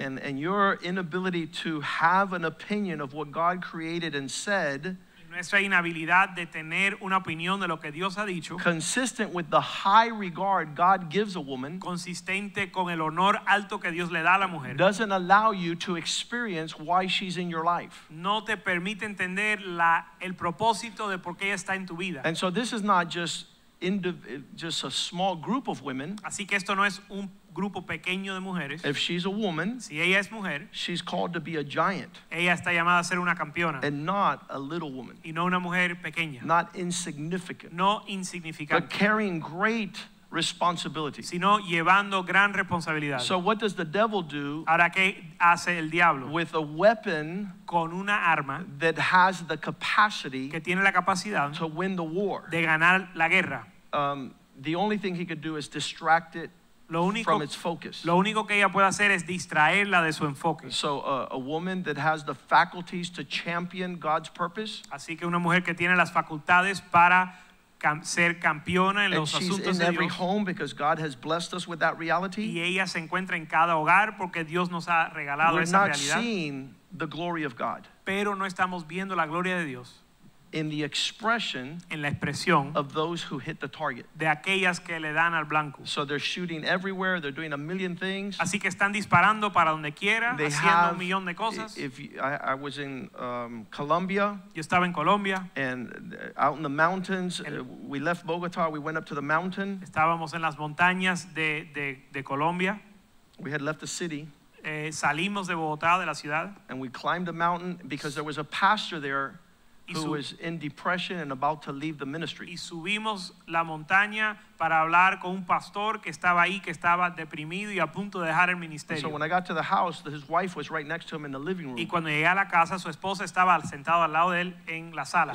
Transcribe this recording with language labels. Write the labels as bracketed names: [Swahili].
[English] and your inability to have an opinion of what God created and said, [Spanish] nuestra inhabilidad de tener una opinión de lo que Dios ha dicho, [English] consistent with the high regard God gives a woman, [Spanish] consistente con el honor alto que Dios le da a la mujer, [English] doesn't allow you to experience why she's in your life. [Spanish] No te permite entender el propósito de por qué ella está en tu vida. [English] And so this is not just a small group of women. [Spanish] Así que esto no es un grupo pequeño de mujeres. [English] If she's a woman, [Spanish] si ella es mujer, [English] she's called to be a giant. [Spanish] Ella está llamada a ser una campeona. [English] And not a little woman. [Spanish] Y no una mujer pequeña. [English] Not insignificant. [Spanish] No insignificante. [English] But carrying great responsibility. [Spanish] Sino llevando gran responsabilidad. [English] So what does the devil do? [Spanish] Ahora, ¿qué hace el diablo? [English] With a weapon, [Spanish] con una arma, [English] that has the capacity, [Spanish] que tiene la capacidad, [English] to win the war, [Spanish] de ganar la guerra. [English] The only thing he could do is distract it. [Spanish] Lo único, [English] from its focus. [Spanish] Lo único que ella puede hacer es distraerla de su enfoque. [English] So a woman that has the faculties to champion God's purpose. [Spanish] Así que una mujer que tiene las facultades para ser campeona en los asuntos de Dios. [English] And she's in every home because God has blessed us with that reality. [Spanish] Y ella se encuentra en cada hogar porque Dios nos ha regalado esa realidad. [English] We're not seeing the glory of God. [Spanish] Pero no estamos viendo la gloria de Dios. [English] In the expression, [Spanish] en la expresión [English] of those who hit the target, [Spanish] de aquellas que le dan al blanco. [English] So they're shooting everywhere. They're doing a million things. [Spanish] Así que están disparando para donde quiera, [English] they [Spanish] haciendo [English] have, [Spanish] un millón de cosas. [English] If you, I was in Colombia, [Spanish] yo estaba en Colombia, [English] and out in the mountains, we left Bogota. We went up to the mountain. [Spanish] Estábamos en las montañas de Colombia. [English] We had left the city. [Spanish] Salimos de Bogotá, de la ciudad, [English] and we climbed the mountain because there was a pastor there. Who was in depression and about to leave the ministry. [Spanish] Y subimos la montaña para hablar con un pastor que estaba ahí, que estaba deprimido y a punto de dejar el ministerio. [English] And so when I got to the house, his wife was right next to him in the living room. [Spanish] Y cuando llegué a la casa, su esposa estaba sentada al lado de él en la sala.